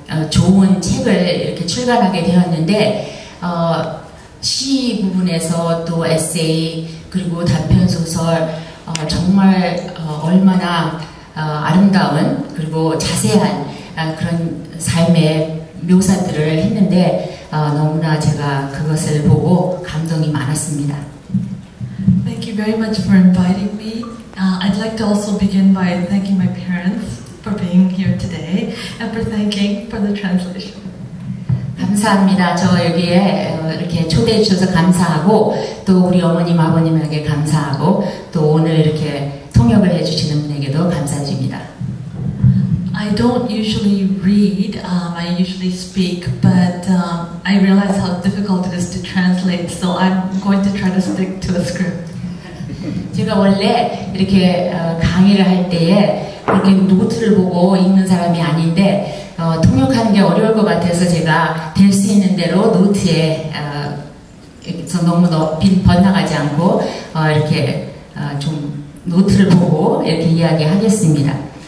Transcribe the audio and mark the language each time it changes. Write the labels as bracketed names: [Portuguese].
[Korean] 좋은 책을 이렇게 출간하게 되었는데 시 부분에서 또 에세이 그리고 단편 소설 정말 얼마나 아름다운 그리고 자세한 그런 삶의 묘사들을 했는데 너무나 제가 그것을 보고 감동이 많았습니다. [English] Thank you very much for inviting me. I'd like to also begin by thanking my parents for being here today and for thanking for the translation. [Korean] 감사합니다. 저 여기에 이렇게 초대해 주셔서 감사하고 또 우리 어머님 아버님에게 감사하고 또 오늘 이렇게 통역을 해 주시는 분에게도 감사드립니다. [English] I don't usually read, I usually speak, but I realize how difficult it is to translate, so I'm going to try to stick to a script. [Korean] 제가 원래 이렇게 강의를 할 때에 그렇게 노트를 보고 읽는 사람이 아닌데 통역하는 게 어려울 것 같아서 제가 될 수 있는 대로 노트에 저 너무 높이 벗나가지 않고 이렇게 좀 노트를 보고 이렇게 이야기하겠습니다.